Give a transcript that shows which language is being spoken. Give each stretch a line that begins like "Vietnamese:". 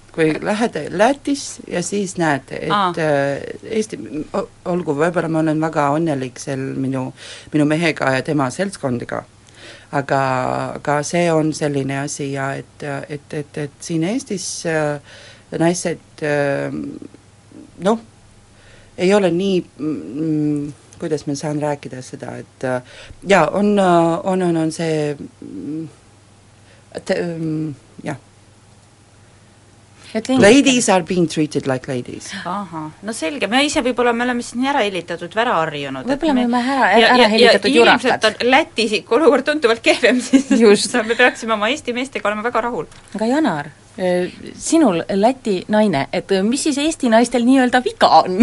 Estonian: Kui lähed Lätis ja siis näed, et Eesti, olgu võibolla ma olen väga onnelik sel minu, minu mehega ja tema seltskondiga, aga, aga see on selline asi ja et, et, et, et siin Eestis naised no, ei ole nii, kuidas ma saan rääkida seda, et ja on, on, on, on see, et ja.
English: Ladies are being treated like ladies.
Estonian: Aha. No selge, me ise võibolla me oleme siin ära elitatud, ära arjunud. Võibolla me oleme ära elitatud ja ilmselt on Lätis olukord tuntuvalt kehvem, siis me peaksime oma Eesti meestega olema väga rahul. Aga Janar, sinul Läti naine, et mis siis Eesti naistel nii öelda viga on?